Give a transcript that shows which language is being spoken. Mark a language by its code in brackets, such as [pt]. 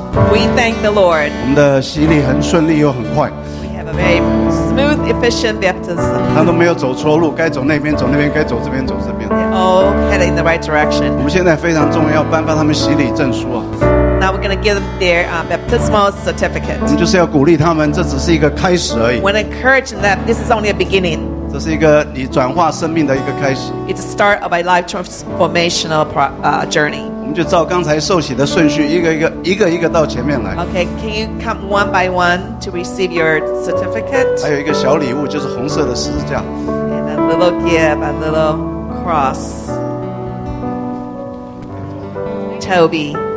[en] We thank the Lord. [zh] 我们的洗礼很顺利又很快。 [en] Smooth, efficient baptism. [zh] 他都没有走错路，该走那边走那边，该走这边走这边。 [en] Oh, headed in the right direction. [zh] 我们现在非常重要，颁发他们洗礼证书啊。 [en] Now we're going to give their baptismal certificate. [zh] 我们就是要鼓励他们，这只是一个开始而已。 [en] We encourage that this is only a beginning. [zh] 这是一个你转化生命的一个开始。 [en] It's the start of a life transformational journey. [zh] 我们就照刚才受洗的顺序，一个一个到前面来。 [en] Okay, can you come one by one to receive your certificate? [zh] 还有一个小礼物，就是红色的十字架。 [en] And a little gift, a little cross. Toby.